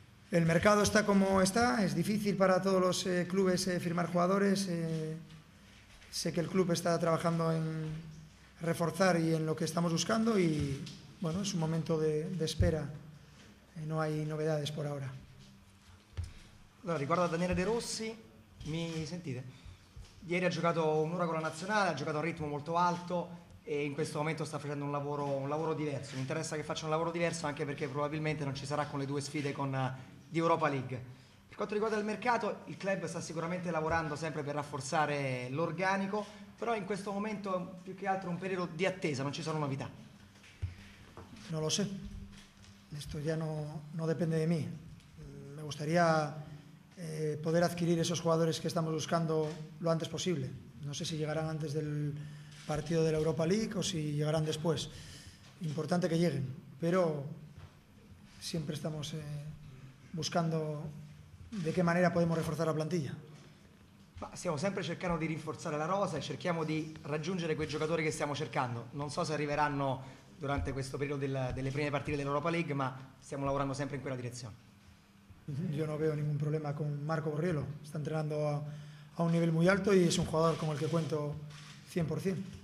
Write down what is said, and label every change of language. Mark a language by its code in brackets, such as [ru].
[es] El mercado está como está, es difícil para todos los clubes firmar jugadores. Sé que el club está trabajando en reforzar y en lo que estamos buscando y bueno, es un momento de espera, no hay novedades por ahora. [it] Allora, riguardo a Daniele De Rossi, mi sentite? Ieri ha giocato un'ora con la nazionale, ha giocato a ritmo molto alto e in questo momento sta facendo un lavoro diverso. Mi interessa che faccia un lavoro diverso anche perché probabilmente non ci sarà con le due sfide di Europa League. Per quanto riguarda il mercato, il club sta sicuramente lavorando sempre per rafforzare l'organico, però in questo momento è più che altro un periodo di attesa, non ci sono novità. [es] No lo sé, esto ya no depende de mí. Me gustaría poder adquirir esos jugadores que estamos buscando lo antes posible. No sé si llegarán antes del partido de la Europa League o si llegarán después. Importante que lleguen, pero siempre estamos buscando de qué manera podemos reforzar la plantilla. [it] Ma stiamo sempre cercando di rinforzare la rosa e cerchiamo di raggiungere quei giocatori che stiamo cercando. Non so se arriveranno durante questo periodo delle prime partite dell'Europa League, ma stiamo lavorando sempre in quella direzione. Io non vedo nessun problema con Marco Borriello, sta [es] entrenando [it] a un livello molto alto e è un giocatore con il che [es] cuento [it] 100%.